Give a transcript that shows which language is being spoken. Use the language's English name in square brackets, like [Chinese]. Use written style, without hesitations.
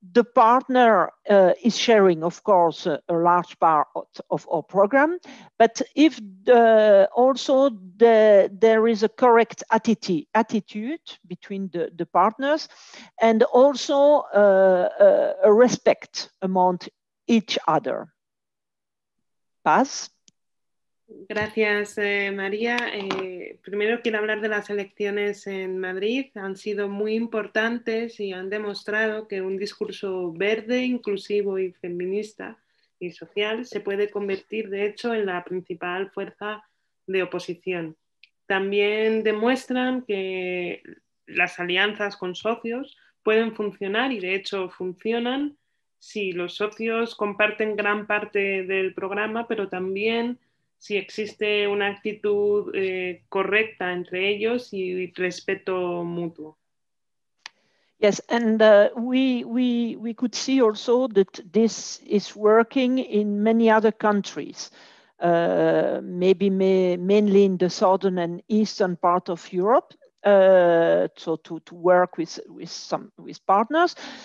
[English] The partner is sharing, of course, a large part of our program, but if there is a correct attitude between the partners and also a respect among each other. [Spanish] Paz. Gracias, María. Primero quiero hablar de las elecciones en Madrid. Han sido muy importantes y han demostrado que un discurso verde, inclusivo y feminista y social se puede convertir, de hecho, en la principal fuerza de oposición. También demuestran que las alianzas con socios pueden funcionar y, de hecho, funcionan si los socios comparten gran parte del programa, pero también si existe una actitud correcta entre ellos y respeto mutuo. [English] Yes, and we could see also that this is working in many other countries, mainly in the southern and eastern part of Europe, so to work with partners.